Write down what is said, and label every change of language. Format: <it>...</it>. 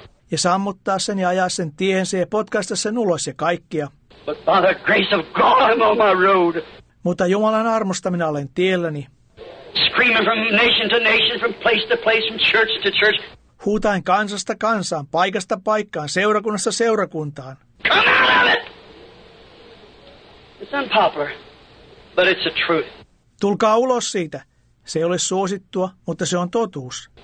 <fi>Ja sammuttaa sen ja ajaa sen tiehensä ja potkaista sen ulos ja kaikkia.</fi> <en>But by the grace of God, I'm on my road.</en> <fi>Mutta Jumalan armosta minä olen tielläni.</fi> <en>Screaming from nation to nation, from place to place, from church to church.</en> <fi>Huutaen kansasta kansaan, paikasta paikkaan, seurakunnasta seurakuntaan.</fi> <en>Come out of it! It's unpopular, but it's the truth.</en> <fi>Tulkaa ulos siitä. Se ei ole suosittua, mutta se on totuus.</fi>